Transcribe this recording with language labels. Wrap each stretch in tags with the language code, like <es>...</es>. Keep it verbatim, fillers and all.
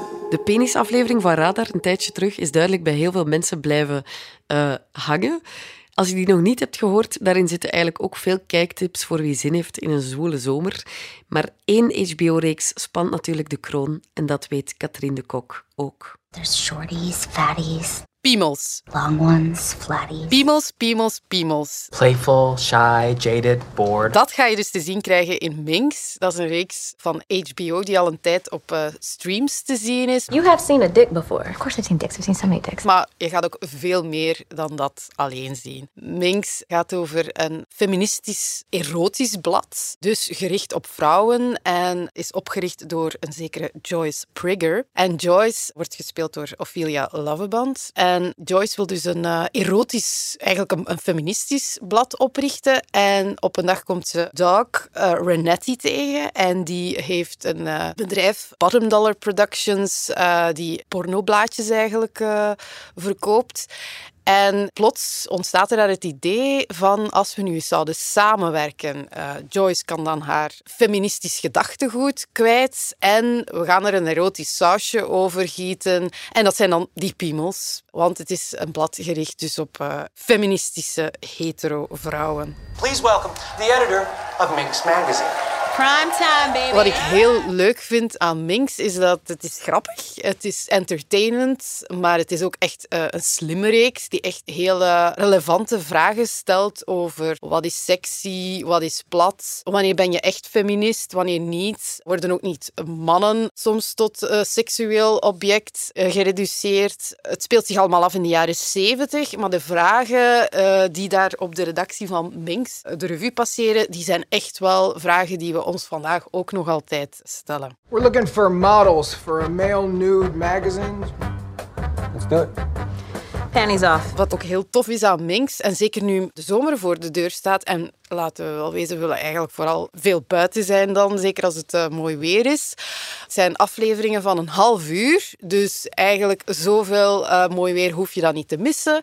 <nl>De penisaflevering van Radar een tijdje terug is duidelijk bij heel veel mensen blijven uh, hangen. Als je die nog niet hebt gehoord, daarin zitten eigenlijk ook veel kijktips voor wie zin heeft in een zwoele zomer. Maar één H B O-reeks spant natuurlijk de kroon en dat weet Katrien de Kok ook.</nl> <en>There's shorties, fatties,</en> <nl>piemels,</nl> <en>long ones, flatties,</en> <nl>piemels, piemels, piemels.</nl> <en>Playful, shy, jaded, bored.</en> <nl>Dat ga je dus te zien krijgen in Minx. Dat is een reeks van H B O die al een tijd op uh, streams te zien is.</nl> <en>You have seen a dick before. Of course I've seen dicks. I've seen so many dicks.</en> <nl>Maar je gaat ook veel meer dan dat alleen zien. Minx gaat over een feministisch, erotisch blad. Dus gericht op vrouwen en is opgericht door een zekere Joyce Prigger. En Joyce wordt gespeeld door Ophelia Loveband. En Joyce wil dus een uh, erotisch, eigenlijk een, een feministisch blad oprichten. En op een dag komt ze Doug uh, Renetti tegen. En die heeft een uh, bedrijf, Bottom Dollar Productions, uh, die pornoblaadjes eigenlijk uh, verkoopt. En plots ontstaat er daar het idee van als we nu eens zouden samenwerken. Uh, Joyce kan dan haar feministisch gedachtegoed kwijt en we gaan er een erotisch sausje over gieten. En dat zijn dan die piemels, want het is een blad gericht dus op uh, feministische hetero-vrouwen.</nl> <en>Please welcome the editor of Minx Magazine. Prime time, baby.</en> <nl>Wat ik heel leuk vind aan Minx is dat het is grappig, het is entertainend, maar het is ook echt uh, een slimme reeks die echt heel uh, relevante vragen stelt over wat is sexy, wat is plat, wanneer ben je echt feminist, wanneer niet. Worden ook niet mannen soms tot uh, seksueel object uh, gereduceerd. Het speelt zich allemaal af in de jaren zeventig, maar de vragen uh, die daar op de redactie van Minx de revue passeren, die zijn echt wel vragen die we ons vandaag ook nog altijd stellen.</nl> <en>We're looking for models for a male nude magazine. Let's do it. Panties off.</en> <nl>Wat ook heel tof is aan Minx, en zeker nu de zomer voor de deur staat, en laten we wel wezen, we willen eigenlijk vooral veel buiten zijn dan, zeker als het uh, mooi weer is. Het zijn afleveringen van een half uur, dus eigenlijk zoveel uh, mooi weer hoef je dan niet te missen.</nl>